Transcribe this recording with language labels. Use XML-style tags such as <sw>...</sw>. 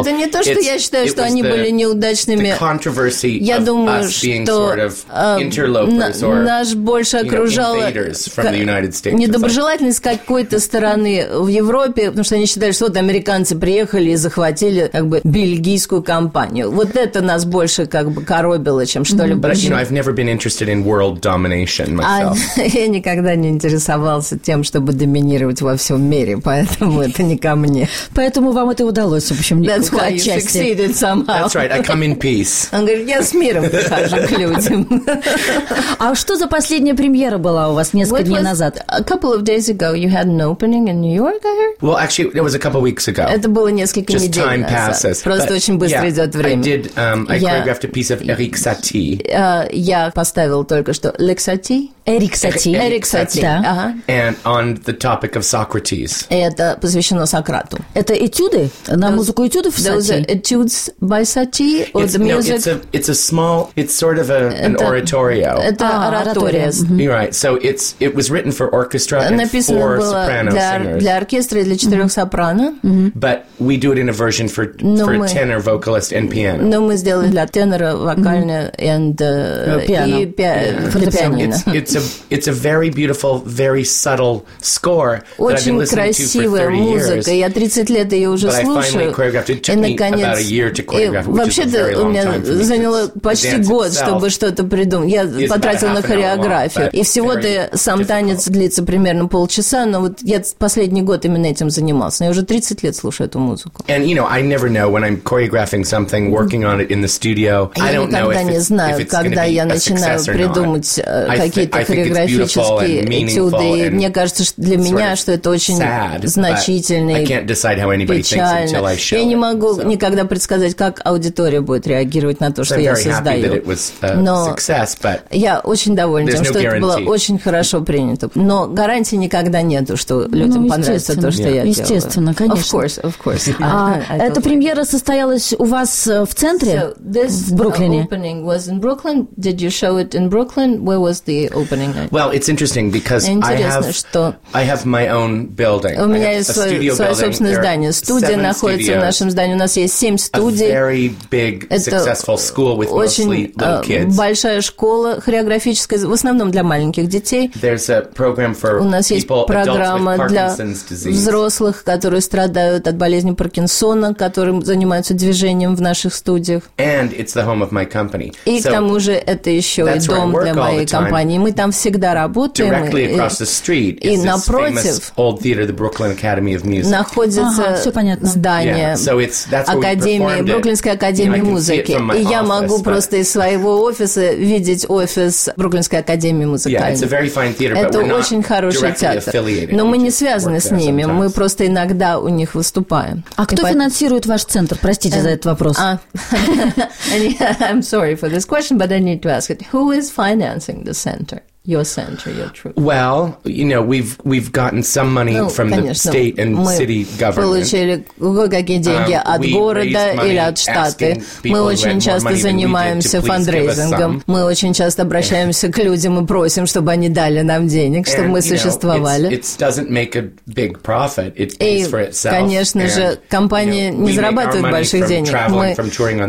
<ru>Это не то, что я считаю, что они были неудачными.</ru> <en>The controversy of us being sort of interlopers or invaders from the United States.</en> <ru>Недоброжелательность какой-то стороны в Европе, потому что они считали, что вот американцы приехали и захватили бельгийскую компанию. Вот это нас больше коробило, чем что-либо.</ru> <en>But, you know, I've never been interested in world domination myself.</en> <ru>Я никогда не интересовался тем, чтобы доминировать во всем мире, поэтому это не ко мне. Поэтому вам это удалось, в общем, отчасти.</ru> <en>That's why you succeeded somehow. That's right, I come in peace.</en> <ru>Он говорит, я с миром прихожу к людям. А что за последняя премьера была у вас несколько дней назад?</ru> <en>A couple of days ago you had an opening in New York, I heard? Well, actually, it was a couple weeks ago.</en> <ru>Это было несколько недель назад.</ru> <en>Just time passes.</en> <ru>Просто очень быстро идет время.</ru> <en>I choreographed a piece of Eric Satie.</en> <ru>Я поставил только что Eric Satie. Эрик Сати. Эрик Сати, да.</ru> <en>And on the topic of Socrates.</en> <ru>Это посвящено Сократу. Это этюды? На музыку этюдов Сати?</ru> <en>Those are etudes by Sati? Or the music? It's an oratorio.</en> <ru>Это оратория.</ru> <en>You're right. So it was written for orchestra and 4 soprano singers.</en> <ru>Написано было для оркестра и для 4 сопрано.</ru> <en>But we do it in a version for a tenor, vocalist and piano.</en> <ru>Но мы сделали для тенора, вокальное and фортепиано.</ru> <en>It's a very beautiful, very subtle score that I've been listening to for 30 years.</en> <ru>Очень красивая музыка. Я 30 лет ее уже слушаю.</ru> <en>But I finally choreographed. It took me about a year to choreograph.</en> <ru>Вообще-то у меня заняло почти год, чтобы что-то придумать. Я потратил на хореографию. И всего-то сам танец длится примерно полчаса, но вот я последний год именно этим занимался. Но я уже 30 лет слушаю эту музыку.</ru> <en>And you know, I never know when I'm choreographing something, working on it in the studio. I don't know if it's going to be a success or not.</en> <ru>Когда я начинаю придумывать какие-то хореографические этюды. И мне кажется, что для меня, что это очень значительный, печальный. Я не могу никогда предсказать, как аудитория будет реагировать на то, что я создаю. Но я очень доволен тем, что это было очень хорошо принято. Но гарантии никогда нету, что людям понравится то, что я делаю. Естественно, конечно.</ru> <en>Of course.</en> <ru>Эта премьера состоялась у вас в центре, в Бруклине?</ru> <en>So, this opening was in Brooklyn. Did you show it in Brooklyn? Where was the opening? happening. Well, it's interesting because I have my own building.</en> <ru>У меня есть свое собственное здание. Студия находится в нашем здании. У нас есть 7 студий.</ru> <en>A very big, successful school with mostly little kids.</en> <ru>Очень большая школа хореографическая, в основном для маленьких детей.</ru> <en>There's a program for people, adults with Parkinson's disease.</en> <ru>Взрослых, которые страдают от болезни Паркинсона, которым занимаются движением в наших студиях.</ru> <en>And it's the home of my company.</en> <ru>И к тому же это еще и дом для моей компании. Мы там всегда работаем.</ru> <en>Directly across the street is this famous old theater, the Brooklyn Academy of Music.</en> <ru>Находится здание Академии, Бруклинской Академии Музыки. И я могу просто из своего офиса видеть офис Бруклинской Академии Музыкальной. Это очень хороший театр. Но мы не связаны с ними, мы просто иногда у них выступаем. А кто финансирует ваш центр? Простите за этот вопрос.</ru> <en>I'm sorry for this question, but I need to ask it. Who is financing the center? Your center, your troop. Well, you know, we've gotten some money from the state and city government.</en> <ru>Мы получили какие деньги от города или от штата. Мы очень часто занимаемся фандрейзингом. Мы очень часто обращаемся к людям и просим, чтобы они дали нам денег, чтобы мы существовали.</ru> <en>It doesn't make a big profit. It pays for itself.</en> <ru>Конечно же, компания не зарабатывает больших денег.</ru>